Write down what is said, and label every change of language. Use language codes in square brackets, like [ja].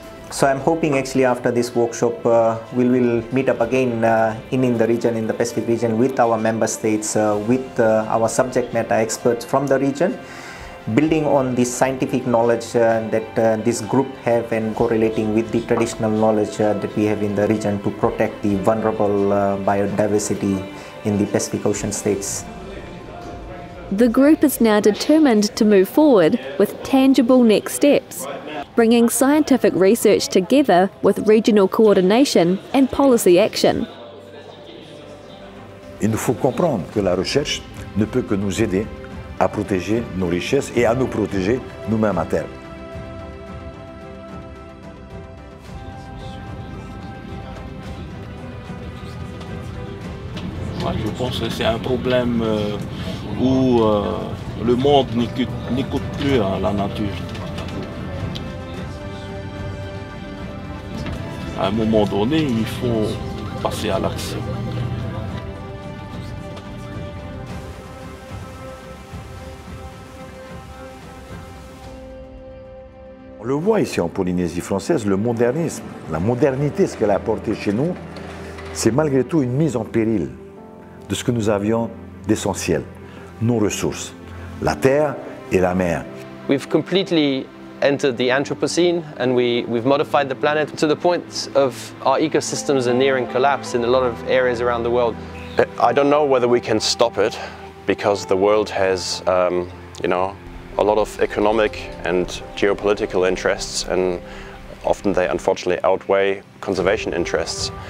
[en] So I'm hoping actually after this workshop, we will meet up again in the region, in the Pacific region, with our member states, with our subject matter experts from the region, building on the scientific knowledge that this group have and correlating with the traditional knowledge that we have in the region to protect the vulnerable biodiversity in the Pacific Ocean states. The group is now determined to move forward with tangible next steps, bringing scientific research together with regional coordination and policy action. [fr] Il nous faut comprendre que la recherche ne peut que nous aider à protéger nos richesses et à nous protéger nous-mêmes à terme. Je pense que c'est un problème où le monde n'écoute plus la nature. À un moment donné, il faut passer à l'action. On le voit ici en Polynésie française, le modernisme, la modernité, ce qu'elle a apporté chez nous, c'est malgré tout une mise en péril de ce que nous avions d'essentiel, nos ressources, la terre et la mer. [en] We've completely entered the Anthropocene and we've modified the planet to the point of our ecosystems are nearing collapse in a lot of areas around the world. I don't know whether we can stop it because the world has, you know, a lot of economic and geopolitical interests, and often they unfortunately outweigh conservation interests.